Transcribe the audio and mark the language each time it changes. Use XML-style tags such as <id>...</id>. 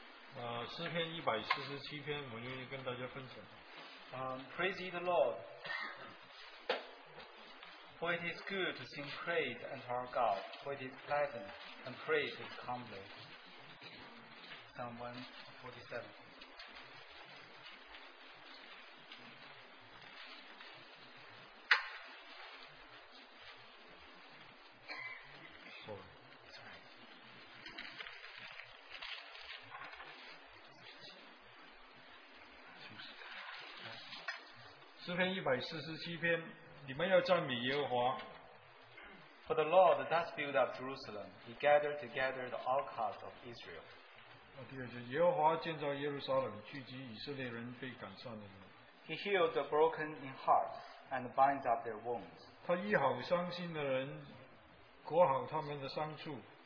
<zh>诗篇一百四十七篇，我愿意跟大家分享。</zh> <en>Praise the Lord, for it is good to sing praise unto our God, for it is pleasant, and praise is comely. Psalm 147.</en> <zh>诗篇一百四十七篇，你们要赞美耶和华。</zh> <en>For the Lord does build up Jerusalem; He gathered together the outcasts of Israel.</en> <zh>第二句，耶和华建造耶路撒冷，聚集以色列人被赶上的人。</zh> <en>He healed the broken in heart and binds up their wounds.</en> <zh>他医好伤心的人，裹好他们的伤处。</zh>